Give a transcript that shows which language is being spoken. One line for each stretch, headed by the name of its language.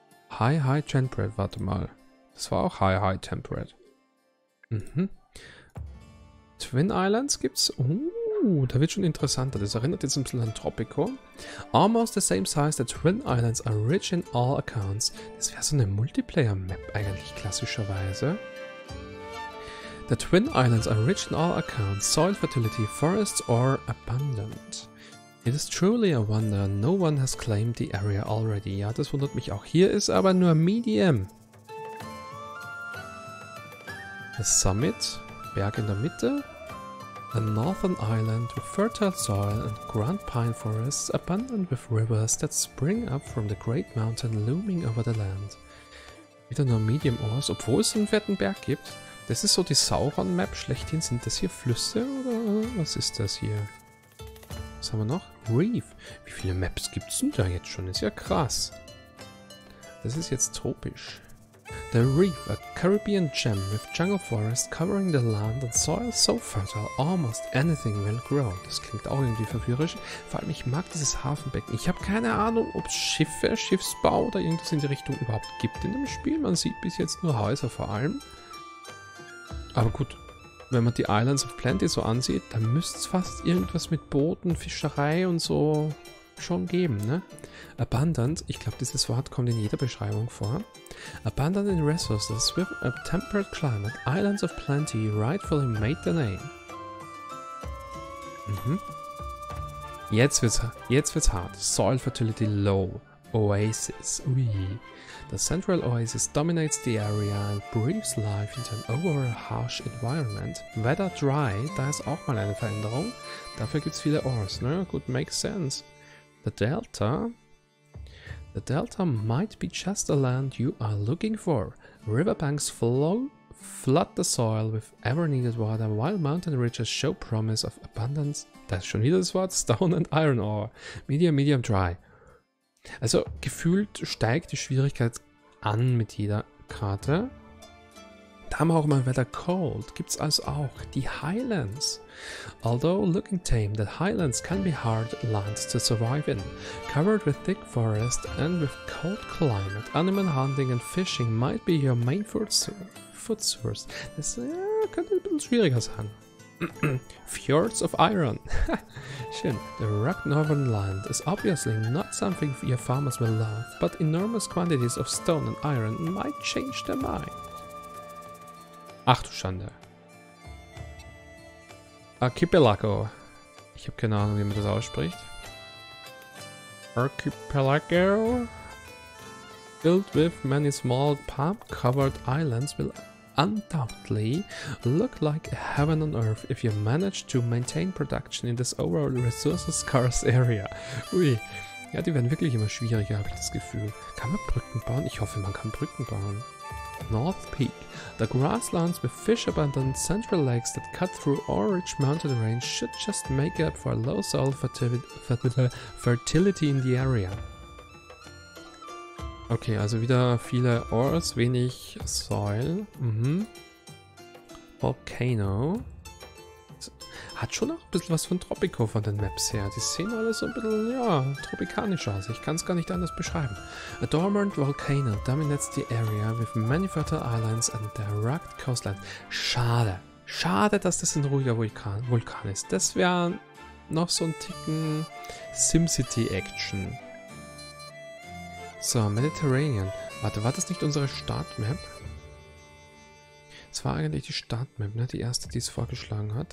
English: High, high temperate,
German: warte mal. Das war auch
English: high, high temperate. Mhm.
German: Twin Islands gibt's. Da wird schon interessanter. Das erinnert jetzt ein bisschen an Tropico.
English: Almost the same size, the Twin Islands are rich in all accounts.
German: Das wäre so eine Multiplayer-Map eigentlich klassischerweise.
English: The Twin Islands are rich in all accounts, soil fertility, forests are abundant. It is truly a wonder, no one has claimed the area already.
German: Ja, das wundert mich auch. Hier ist aber nur medium.
English: The summit,
German: Berg in der Mitte.
English: The northern island with fertile soil and grand pine forests, abundant with rivers that spring up from the great mountain looming over the land.
German: Wieder nur medium ores, obwohl es einen fetten Berg gibt. Das ist so die Sauron-Map schlechthin. Sind das hier Flüsse oder was ist das hier? Was haben wir noch? Reef. Wie viele Maps gibt es denn da jetzt schon? Ist ja krass. Das ist jetzt tropisch.
English: The reef, a Caribbean gem with jungle forest covering the land and soil so fertile, almost anything will grow.
German: Das klingt auch irgendwie verführerisch. Vor allem, ich mag dieses Hafenbecken. Ich habe keine Ahnung, ob es Schiffe, Schiffsbau oder irgendwas in die Richtung überhaupt gibt in dem Spiel. Man sieht bis jetzt nur Häuser vor allem. Aber gut, wenn man die Islands of Plenty so ansieht, dann müsste es fast irgendwas mit Booten, Fischerei und so schon geben, ne? Abundant, ich glaube, dieses Wort kommt in jeder Beschreibung vor.
English: Abundant in resources with a temperate climate, Islands of Plenty rightfully made the name.
German: Mhm. Jetzt wird's hart.
English: Soil fertility low. Oasis. Ui. The central oasis dominates the area and breathes life into an overall harsh environment. Weather dry,
German: da ist auch mal eine Veränderung. Dafür gibt's viele Ores, ne? Gut,
English: makes sense. The Delta might be just the land you are looking for. Riverbanks flood the soil with ever-needed water, while mountain ridges show promise of abundance.
German: Das ist schon wieder das Wort, Stone and Iron Ore.
English: Medium dry.
German: Also, gefühlt steigt die Schwierigkeit an mit jeder Karte. Da haben wir auch mal Weather Cold. Gibt's also auch die Highlands.
English: Although looking tame, the Highlands can be hard lands to survive in. Covered with thick forest and with cold climate, animal hunting and fishing might be your main food source.
German: Das könnte ein bisschen schwieriger sein. Fjords of Iron. Schön.
English: The rock northern land is obviously not something your farmers will love, but enormous quantities of stone and iron might change their mind.
German: Ach du Schande.
English: Archipelago.
German: Ich habe keine Ahnung, wie man das ausspricht.
English: Archipelago. Filled with many small palm-covered islands will undoubtedly look like heaven on earth if you manage to maintain production in this overall resources-scarce area. Ui.
German: Ja, die werden wirklich immer schwieriger, habe ich das Gefühl. Kann man Brücken bauen? Ich hoffe, man kann Brücken bauen. North Peak.
English: The grasslands with fish abundant central lakes that cut through all rich mountain range should just make up for low soil fertility in the area.
German: Okay, also wieder viele Ores, wenig Soil. Mhm.
English: Volcano.
German: Hat schon auch ein bisschen was von Tropico von den Maps her. Die sehen alle so ein bisschen, ja, tropikanisch aus. Ich kann es gar nicht anders beschreiben.
English: A dormant volcano dominates the area with many fertile islands and the rugged coastline.
German: Schade. Schade, dass das ein ruhiger Vulkan ist. Das wäre noch so ein Ticken SimCity-Action. So, Mediterranean. Warte, war das nicht unsere Startmap? Das war eigentlich die Startmap, ne? Die erste, die es vorgeschlagen hat.